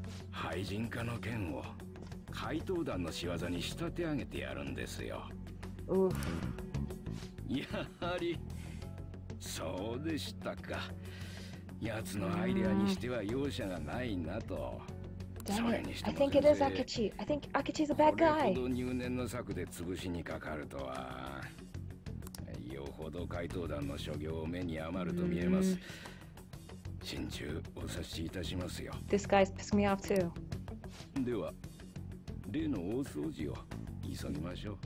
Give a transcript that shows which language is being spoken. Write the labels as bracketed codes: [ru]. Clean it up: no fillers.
[ja] 廃人化の剣を怪盗団の仕業に仕立て上げてやるんですよ。やはりそうでしたか。奴のアイデアにしては容赦がないなと。それにしても先生、 [en] I think it is Akechi. I think Akechi is a bad guy. [ja] これほど入念の策で潰しにかかるとは、よほど怪盗団の所業を目に余ると見えます。心中お察しいたしますよ。 [en] This guy's pissing me off too. [ja] では、例の大掃除を急ぎましょう。